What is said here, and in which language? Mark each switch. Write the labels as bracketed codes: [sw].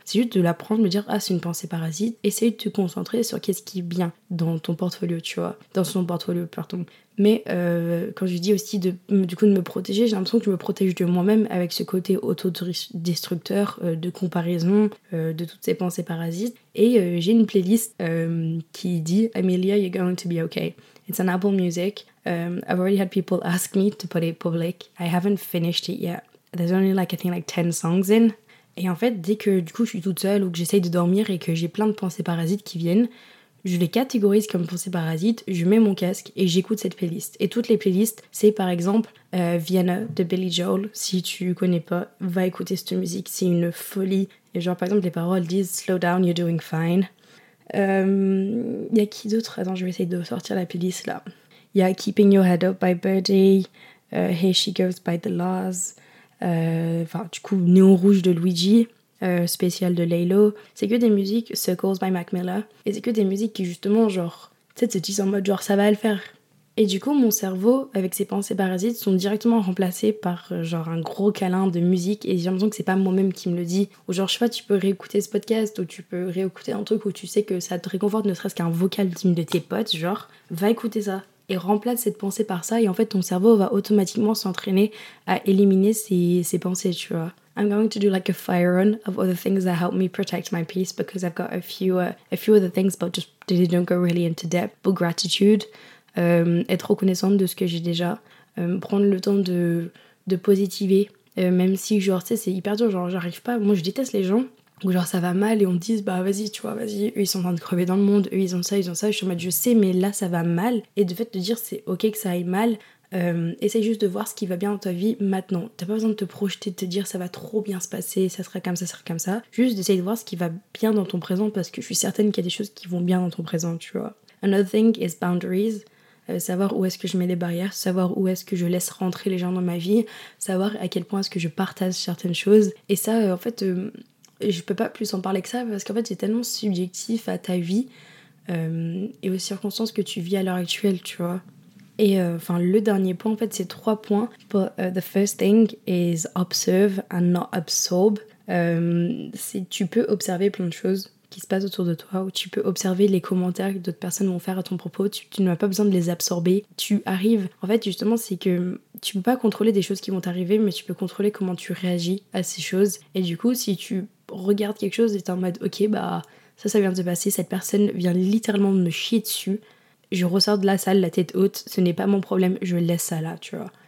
[fr] C'est juste de la prendre, me dire, ah, c'est une pensée parasite, essaye de te concentrer sur qu'est-ce qui est bien dans ton portfolio, tu vois, dans son portfolio, pardon. Mais quand je dis aussi de me protéger, j'ai l'impression que je me protège de moi-même avec ce côté autodestructeur, de comparaison, de toutes ces pensées parasites. Et j'ai une playlist qui dit « [en] Amelia, you're going to be okay ». It's an Apple Music. I've already had people ask me to put it public. I haven't finished it yet. There's only like, I think like 10 songs in. [fr] Et en fait, dès que du coup je suis toute seule ou que j'essaye de dormir et que j'ai plein de pensées parasites qui viennent, je les catégorise comme pensées parasites, je mets mon casque et j'écoute cette playlist. Et toutes les playlists, c'est par exemple Vienna de Billy Joel. Si tu connais pas, va écouter cette musique, c'est une folie. Et genre par exemple, les paroles disent « [en] Slow down, you're doing fine ». [fr] Y a qui d'autre? Attends, je vais essayer de sortir la playlist là. Y a Keeping Your Head Up by Birdie, Here She Goes by The Lars, du coup Néon Rouge de Luigi, Spécial de Laylo. C'est que des musiques Circles by Mac Miller. Et c'est que des musiques qui justement genre, tu sais, se disent en mode genre ça va le faire. Et du coup mon cerveau avec ses pensées parasites sont directement remplacées par genre un gros câlin de musique et j'ai l'impression que c'est pas moi-même qui me le dit. Ou genre je sais pas, tu peux réécouter ce podcast ou tu peux réécouter un truc où tu sais que ça te réconforte ne serait-ce qu'un vocal d'une de tes potes, genre va écouter ça et remplace cette pensée par ça et en fait ton cerveau va automatiquement s'entraîner à éliminer ses pensées, tu vois. [en] I'm going to do like a fire run of all the things that help me protect my peace because I've got a few other things but just they don't go really into depth. But gratitude, [fr] être reconnaissante de ce que j'ai déjà, prendre le temps de positiver, même si genre tu sais c'est hyper dur, genre j'arrive pas, moi je déteste les gens où genre ça va mal et on dit bah vas-y tu vois vas-y, eux ils sont en train de crever dans le monde, eux ils ont ça, je suis en mode je sais mais là ça va mal, et de fait de dire c'est ok que ça aille mal, essaye juste de voir ce qui va bien dans ta vie maintenant, t'as pas besoin de te projeter, de te dire ça va trop bien se passer, ça sera comme ça, juste d'essayer de voir ce qui va bien dans ton présent parce que je suis certaine qu'il y a des choses qui vont bien dans ton présent tu vois. [en] Another thing is boundaries. [fr] Savoir où est-ce que je mets des barrières, savoir où est-ce que je laisse rentrer les gens dans ma vie, savoir à quel point est-ce que je partage certaines choses. Et ça, en fait, je peux pas plus en parler que ça, parce qu'en fait, c'est tellement subjectif à ta vie et aux circonstances que tu vis à l'heure actuelle, tu vois. Et enfin, le dernier point, en fait, c'est trois points. [en] But, the first thing is observe and not absorb. [fr] C'est, tu peux observer plein de choses qui se passe autour de toi, où tu peux observer les commentaires que d'autres personnes vont faire à ton propos, tu n'as pas besoin de les absorber, tu arrives. En fait, justement, c'est que tu peux pas contrôler des choses qui vont t'arriver, mais tu peux contrôler comment tu réagis à ces choses. Et du coup, si tu regardes quelque chose et t'es en mode, ok, bah, ça vient de se passer, cette personne vient littéralement me chier dessus, je ressors de la salle, la tête haute, ce n'est pas mon problème, je laisse ça là, tu vois.